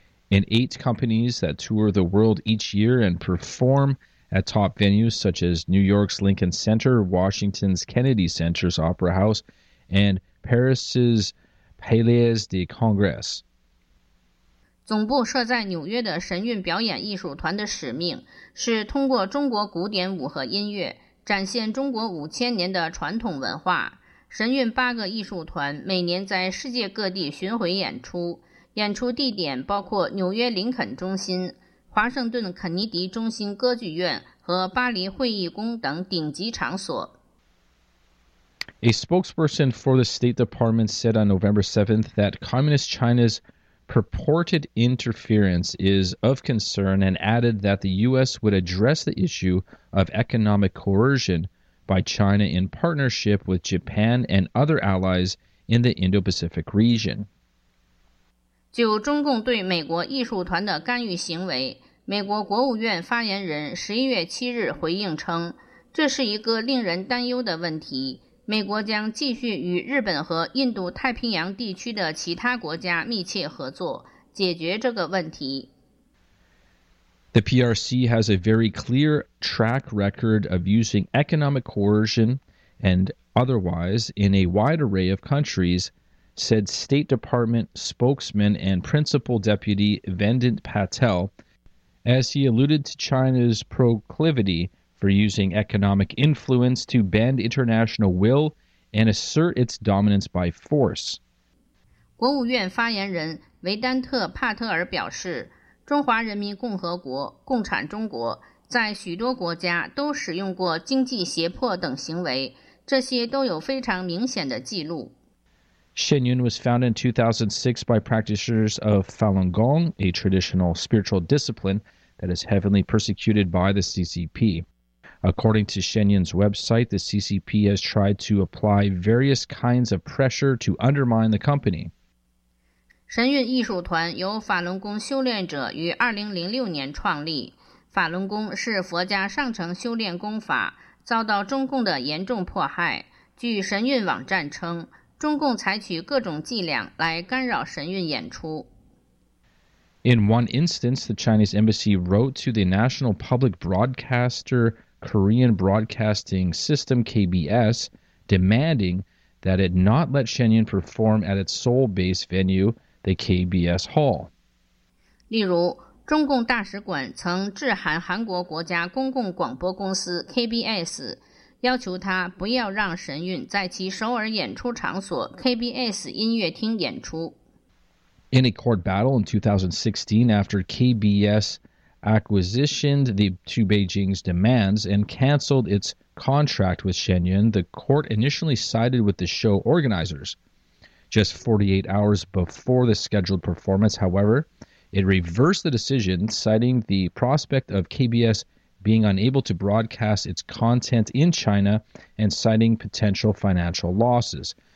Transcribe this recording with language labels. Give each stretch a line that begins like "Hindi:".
English: In 8 companies that tour the world each year and perform at top venues such as New York's Lincoln Center, Washington's Kennedy Center's Opera House, and Paris's Palais de Congress.
Chinese: 总部设在纽约的神韵表演艺术团的使命是通过中国古典舞和音乐展现中国5000年的传统文化。神韵8个艺术团每年在世界各地巡回演出。演出地点包括纽约林肯中心、华盛顿肯尼迪中心歌剧院和巴黎会议宫等顶级场所。
English: A spokesperson for the State Department said on November 7th that Communist China's purported interference is of concern and added that the U.S. would address the issue of economic coercion by China in partnership with Japan and other allies in the Indo-Pacific region.
Chinese: 就中共对美国艺术团的干预行为，美国国务院发言人11月7日回应称，这是一个令人担忧的问题。美国将继续与日本和印度太平洋地区的其他国家密切合作，解决这个问题。
English: The PRC has a very clear track record of using economic coercion and otherwise in a wide array of countries. Said State Department spokesman and principal deputy Vandant Patel, as he alluded to China's proclivity for using economic influence to bend international will and assert its dominance by force.
Chinese: 国务院发言人维丹特·帕特尔表示，中华人民共和国、共产中国在许多国家都使用过经济胁迫等行为，这些都有非常明显的记录。
English: Shenyun was founded in 2006 by practitioners of Falun Gong, a traditional spiritual discipline that is heavily persecuted by the CCP. According to Shenyun's website, the CCP has tried to apply various kinds of pressure to undermine the company.
Chinese: 神韵艺术团由法轮功修炼者于2006年创立。法轮功是佛家上乘修炼功法，遭到中共的严重迫害。据神韵网站称，中共采取各种伎俩来干扰神韵演出。
English: In one instance, the Chinese embassy wrote to the National Public Broadcaster Korean Broadcasting System, KBS, demanding that it not let Shen Yun perform at its Seoul base venue, the KBS Hall.
Chinese: 例如，中共大使馆曾致函韩国国家公共广播公司 KBS, 要求他不要让神韵在其首尔演出场所 KBS 音乐厅演出。
English: In a court battle in 2016, after KBS acquiesced to Beijing's demands and canceled its contract with Shen Yun, the court initially sided with the show organizers. Just 48 hours before the scheduled performance, however, it reversed the decision, citing the prospect of KBS being unable to broadcast its content in China and citing potential financial losses.